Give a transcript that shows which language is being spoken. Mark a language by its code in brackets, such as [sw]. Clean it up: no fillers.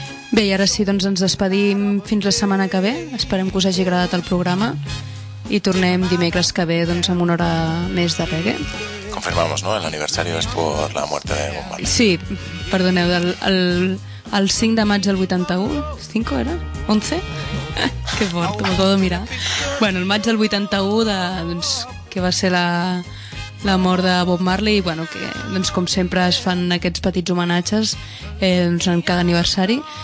[ca] Bé, i ara sí, doncs ens despedim fins la setmana que ve. Esperem que us hagi agradat el programa i tornem dimecres que ve, doncs, amb una hora més de reggae. [es] Confirmamos, ¿no? El aniversario es por la muerte de Bob Marley. [ca] Sí, perdoneu, el 5 de maig del 81, 5 era? 11? Que fort, m'ho acabo de mirar. Bueno, el maig del 81, de, doncs, que va ser la mort de Bob Marley, i bueno, que, doncs, com sempre es fan aquests petits homenatges doncs, en cada aniversari.